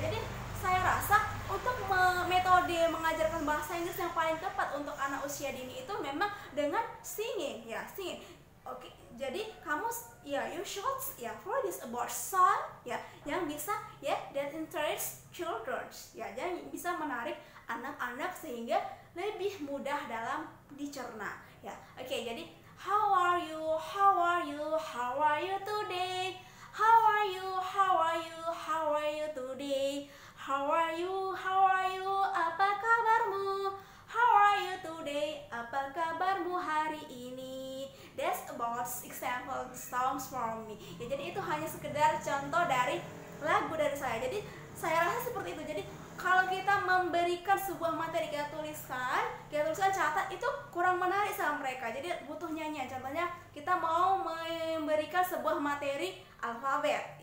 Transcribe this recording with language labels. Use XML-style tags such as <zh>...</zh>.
<id>Jadi saya rasa untuk metode mengajarkan bahasa Inggris yang paling tepat untuk anak usia dini itu memang dengan singing, ya singing. Oke, jadi kamu ya</id> <en>you should</en> <id>ya</id> <en>for this about song</en> <id>ya yang bisa ya</id> <en>that interests children</en> <id>ya yang bisa menarik anak-anak sehingga lebih mudah dalam dicerna ya.</id> <en>Oke, jadi how are you, how are you, how are you today, how are you, how are you, how are you today, how are you, how are you,</en> <id>apa kabarmu,</id> <en>how are you today,</en> <id>apa kabarmu hari ini.</id> <en>That's about example songs from me.</en> <id>Ya, jadi itu hanya sekedar contoh dari lagu dari saya. Jadi saya rasa seperti itu. Jadi kalau kita memberikan sebuah materi kita tuliskan catat, itu kurang menarik sama mereka. Jadi butuh nyanyian. Contohnya kita mau memberikan sebuah materi alfabet.</id>